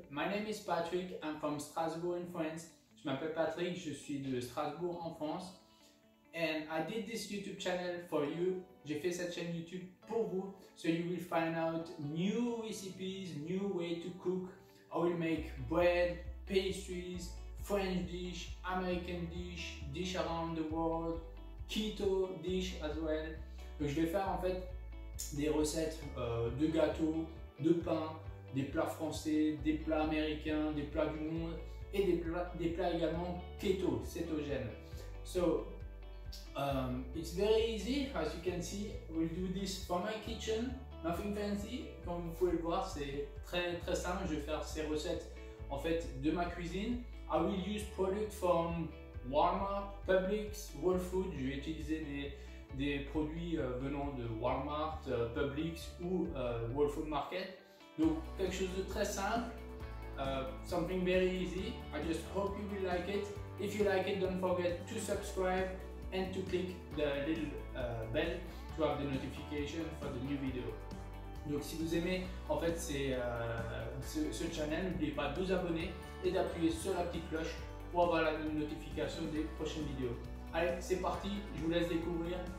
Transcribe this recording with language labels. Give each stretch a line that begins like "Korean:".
English: My name is Patrick, I'm from Strasbourg in France.
French: Je m'appelle Patrick, je suis de Strasbourg en France.
English: And I did this YouTube channel for you,
French: j'ai fait cette chaîne YouTube pour vous,
English: so you will find out new recipes, new way to cook. I will make bread, pastries, French dish, American dish, dish around the world, keto dish as well.
French: Donc je vais faire en fait des recettes de gâteaux, de pain, des plats français, des plats américains, des plats du monde et des plats également keto, cétogènes.
English: So, it's very easy, as you can see, we'll do this for my kitchen, nothing fancy.
French: Comme vous pouvez le voir, c'est très très simple, je vais faire ces recettes en fait de ma cuisine.
English: I will use products from Walmart, Publix, Whole Foods,
French: je vais utiliser des produits venant de Walmart, Publix ou Whole Foods Market. Donc quelque chose de très simple,
English: something very easy. I just hope you will like it. If you like it, don't forget to subscribe and to click the little bell to have the notification for the new video.
French: Donc si vous aimez en fait ce channel, n'oubliez pas de vous abonner et d'appuyer sur la petite cloche pour avoir la notification des prochaines vidéos. Allez, c'est parti, je vous laisse découvrir.